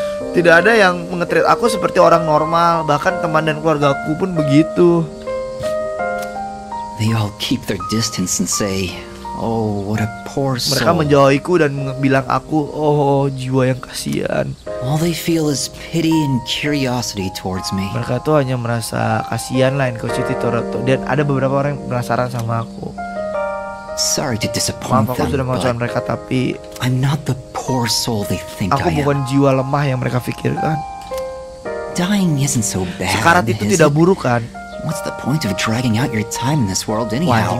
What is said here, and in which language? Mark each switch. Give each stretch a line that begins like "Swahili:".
Indonesian: Tidak ada yang mengetreat aku seperti orang normal. Bahkan teman dan keluarga aku pun begitu.
English: They all keep their distance and say, oh what a poor soul.
Indonesian: Mereka menjauhiku dan bilang aku, oh jiwa yang kasihan.
English: All they feel is pity and curiosity towards me.
Indonesian: Mereka tuh hanya merasa kasihan lain ke Siti Toroto. Dan ada beberapa orang yang penasaran sama aku.
English: Sorry to disappoint them.
Indonesian: Maaf aku sudah mengecewakan mereka tapi
English: I'm not the poor soul they think I am.
Indonesian: Aku bukan jiwa lemah yang mereka pikirkan.
English: Dying isn't so bad.
Indonesian: Sekarat itu tidak buruk kan?
English: What's the point of dragging out your time in this world anyhow?